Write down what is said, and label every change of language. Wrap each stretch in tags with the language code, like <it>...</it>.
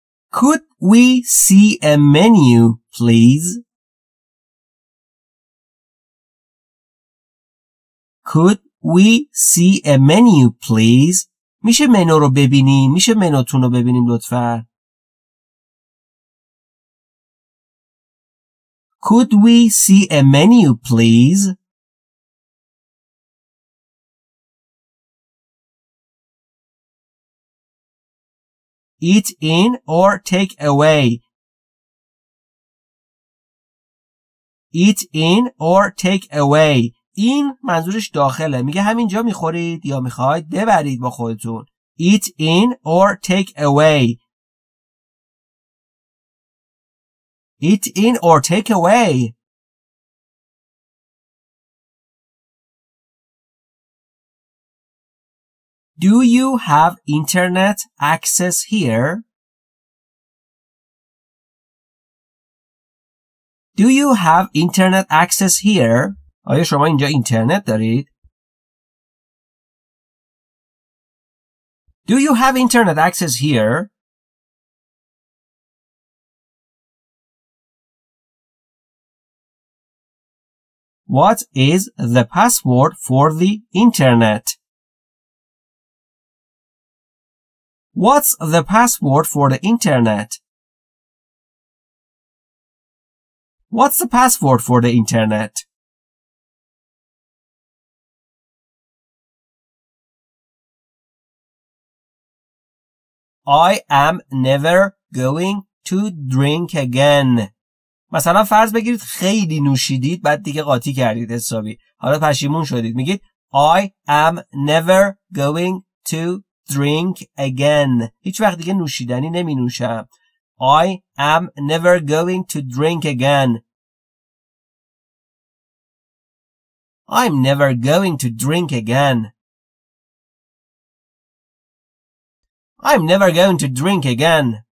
<en>Could we see a menu, please? Could we see a menu, please?</en> <fa>میشه منو رو ببینیم؟ میشه منوتون رو ببینیم لطفا؟</fa> <en>Could we see a menu, please? Eat in or take away. Eat in or take away.</en> <fa>این منظورش داخله. میگه همینجا میخورید یا میخواید ببرید با خودتون.</fa> <en>Eat in or take away. Eat in or take away. Do you have internet access here? Do you have internet access here?</en> <fa>آیا شما اینجا اینترنت دارید؟</fa> <en>Do you have internet access here? What is the password for the internet? What's the password for the internet? What's the password for the internet? I am never going to drink again.</en> <fa>مثلا فرض بگیرید خیلی نوشیدید بعد دیگه قاطی کردید حسابی. حالا پشیمون شدید. میگید</fa> <en>I am never going to drink again.</en> <fa>هیچ وقت دیگه نوشیدنی نمی نوشم.</fa> <en>I am never going to drink again. I'm never going to drink again. I'm never going to drink again.</en>